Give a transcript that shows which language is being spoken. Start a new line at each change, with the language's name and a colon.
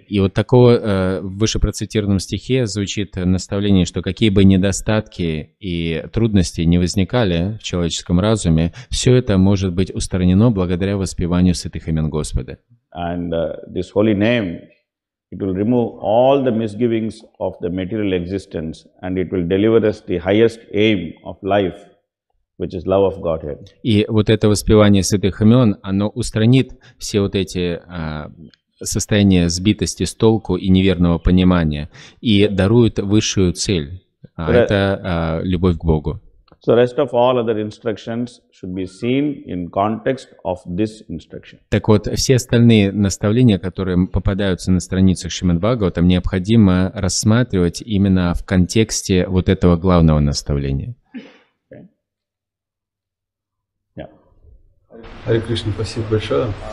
Russian: И вот такого в выше процитированном стихе звучит наставление, что какие бы недостатки и трудности не возникали в человеческом разуме, все это может быть устранено благодаря воспеванию святых имен Господа.
English: And this holy name, it will remove all the misgivings of the material existence, and it will deliver us the highest aim of life, which is love of Godhead.
Russian: И вот это воспевание святых имен, оно устранит все вот эти состояния сбитости с толку и неверного понимания и дарует высшую цель. Любовь к Богу.
English: So rest of all other instructions should be seen in context of this instruction.
Russian: Так вот, все остальные наставления, которые попадаются на страницах Шримад-Бхагаватам, необходимо рассматривать именно в контексте вот этого главного наставления. Hare Krishna, спасибо большое.